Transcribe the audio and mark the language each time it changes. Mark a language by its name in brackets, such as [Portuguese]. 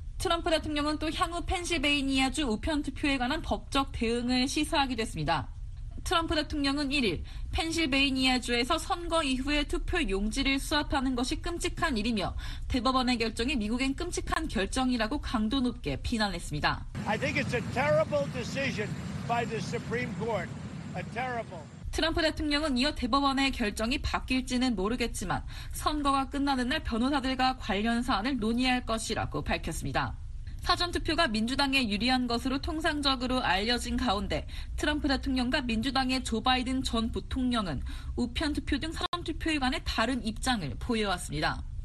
[Korean] 트럼프 대통령은 또 향후 펜실베이니아주 우편 투표에 관한 법적 대응을 시사하기도 했습니다. 트럼프 대통령은 1일 펜실베이니아주에서 선거 이후에 투표 용지를 수합하는 것이 끔찍한 일이며 대법원의 결정이 미국엔 끔찍한 결정이라고 강도 높게 비난했습니다. [English] I think it's a terrible decision by the Supreme Court. A terrible. [Korean] 트럼프 대통령은 이어 대법원의 결정이 바뀔지는 모르겠지만 선거가 끝나는 날 변호사들과 관련 사안을 논의할 것이라고 밝혔습니다. 사전투표가 민주당에 유리한 것으로 통상적으로 알려진 가운데 트럼프 대통령과 민주당의 조 바이든 전 부통령은 우편투표 등 사전투표에 관해 다른 입장을 보여왔습니다.